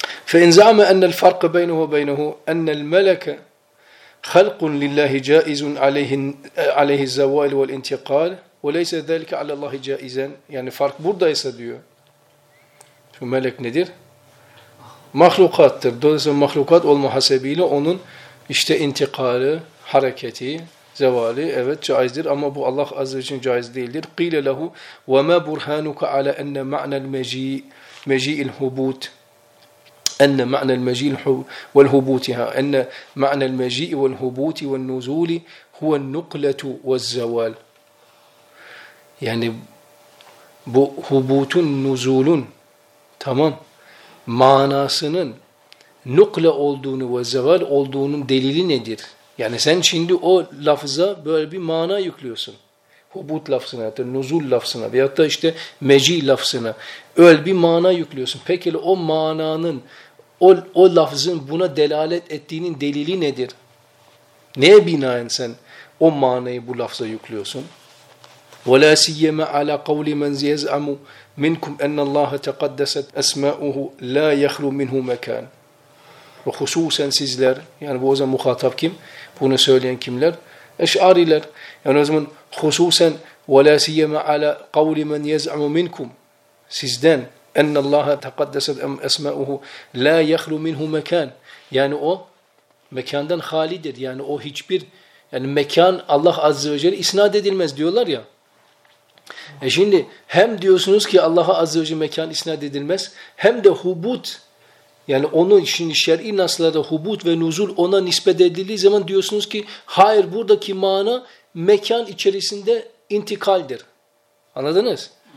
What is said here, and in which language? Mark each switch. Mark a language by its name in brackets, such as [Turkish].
[Arabic] فَاِنْ زَعْمَ اَنَّ الْفَرْقَ بَيْنَهُ وَبَيْنَهُ اَنَّ الْمَلَكَ خَلْقٌ لِلَّهِ جَائِزٌ عَلَيْهِ الزَّوَائِلُ وَالْاِنْتِقَالِ وَلَيْسَ ذَلِكَ عَلَى اللّٰهِ جَائِزًا. [Turkish] Yani fark buradaysa diyor. Şu melek nedir? Mahlukattır. Dolayısıyla mahlukat olma hasebiyle onun işte intikali, hareketi, zevali evet caizdir ama bu Allah azze ve celle caiz değildir. [Arabic] قِيلَ لَهُ وَمَا بُرْهَانُكَ عَلَى اَنَّ مَعْنَ الْمَجِيءِ الْهُبُوتِ أن معنى المجيء والهبوط أن معنى المجيء والهبوط والنزول هو النقلة والزوال. يعني هبوط نزول تمام [Turkish] manasının nukle olduğunu ve zeval olduğunun delili nedir? Yani sen şimdi o lafza böyle bir mana yüklüyorsun. Hubut lafzına, nuzul lafzına veyahut da işte meci lafzına öyle bir mana yüklüyorsun. Peki o mananın O lafzın buna delalet ettiğinin delili nedir? Neye binaen sen o manayı bu lafza yüklüyorsun? [Arabic] وَلَا سِيَّمَا عَلَى قَوْلِ مَنْ زِيَزْعَمُ مِنْكُمْ اَنَّ اللّٰهَ تَقَدَّسَتْ أَسْمَاءُهُ لَا يَخْلُوا مِنْهُ مَكَانٍ. [Turkish] Ve hususen sizler, yani bu o zaman muhatap kim? Bunu söyleyen kimler? Eş'ariler. Yani o zaman hususen [Arabic] وَلَا سِيَّمَا عَلَى قَوْلِ مَنْ يَزْعَمُ مِنْكُمْ [Turkish] sizden [Arabic] أن الله تقدس أسماؤه لا يخلو منه مكان. [Turkish] Yani o mekandan halidir. Yani o hiçbir yani mekan Allah Azze ve Celle isnat edilmez diyorlar ya. Şimdi hem diyorsunuz ki Allah'a Azze ve Celle mekan isnat edilmez hem de hubut yani onun şimdi şer'i naslarda hubut ve nuzul ona nispet edildiği zaman diyorsunuz ki hayır buradaki mana mekan içerisinde intikaldir. Anladınız?